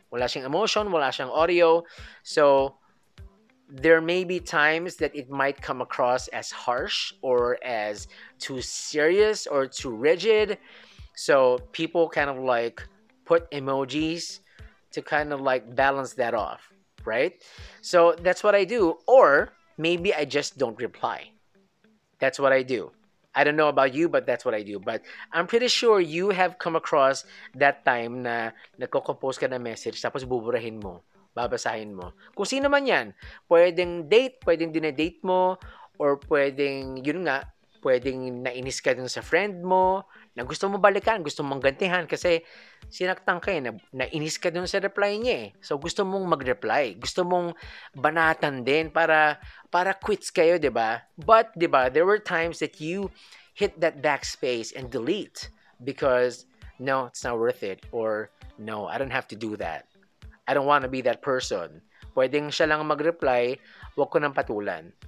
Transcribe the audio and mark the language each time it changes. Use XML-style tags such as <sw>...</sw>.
<tl>Wala siyang emotion, wala siyang audio.</tl> <en>So, there may be times that it might come across as harsh or as too serious or too rigid. So, people kind of like put emojis to kind of like balance that off, right? So, that's what I do. Or, maybe I just don't reply. That's what I do. I don't know about you, but that's what I do. But I'm pretty sure you have come across that time</en> <tl>na nagko-compose ka na message tapos buburahin mo, babasahin mo. Kung sino man yan, pwedeng date, pwedeng dinedate mo, or pwedeng, yun nga, pwedeng nainis ka dun sa friend mo, na gusto mo balikan, gusto mong gantihan kasi sinaktan ka yun, nainis ka dun sa reply niya eh. So gusto mong mag-reply, gusto mong banatan din para quits kayo, di ba?</tl> <en>But, di ba, there were times that you hit that backspace and delete because, no, it's not worth it. Or, no, I don't have to do that. I don't want to be that person.</en> <tl>Pwedeng siya lang mag-reply, huwag ko nang patulan.</tl>